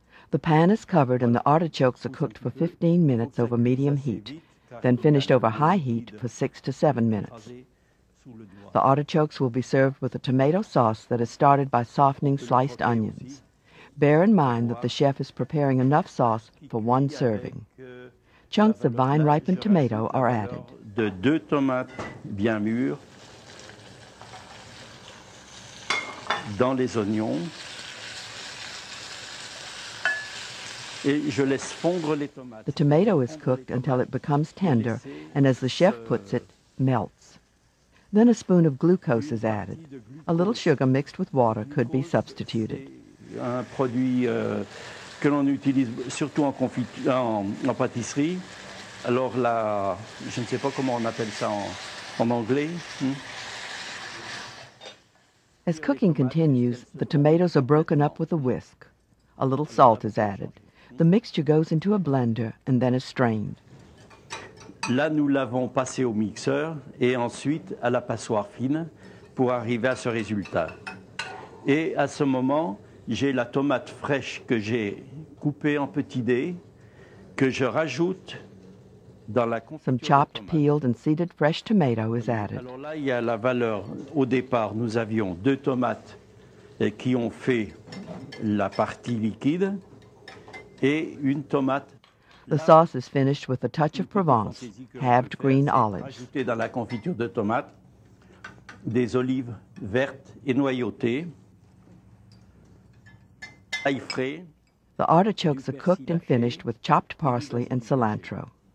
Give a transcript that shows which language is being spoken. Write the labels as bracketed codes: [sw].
[en] The pan is covered and the artichokes are cooked for 15 minutes over medium heat, then finished over high heat for 6 to 7 minutes. The artichokes will be served with a tomato sauce that is started by softening sliced onions. Bear in mind that the chef is preparing enough sauce for one serving. Chunks of vine-ripened tomato are added. [fr] De deux tomates bien mûres dans les oignons. Et je laisse fondre les tomates. [en] The tomato is cooked until it becomes tender and, as the chef puts it, melts. Then a spoon of glucose is added. A little sugar mixed with water could be substituted. [fr] Un produit que l'on utilise surtout en confiture, en pâtisserie. Alors là, je ne sais pas comment on appelle ça en anglais. [en] As cooking continues, the tomatoes are broken up with a whisk. A little salt is added. The mixture goes into a blender and then is strained. [fr] Là, nous l'avons passé au mixeur et ensuite à la passoire fine pour arriver à ce résultat. Et à ce moment, j'ai la tomate fraîche que j'ai coupée en petits dés que je rajoute dans la confiture. [en] Some chopped, peeled and seeded fresh tomato is added. [fr] Alors là, il y a la valeur. Au départ, nous avions deux tomates qui ont fait la partie liquide. Et une tomate. [en] The sauce is finished with a touch of Provence, halved green olives. [fr] Ajouter dans la confiture de tomates des olives vertes et noyautées, ail frais. [en] The artichokes are cooked and finished with chopped parsley and cilantro.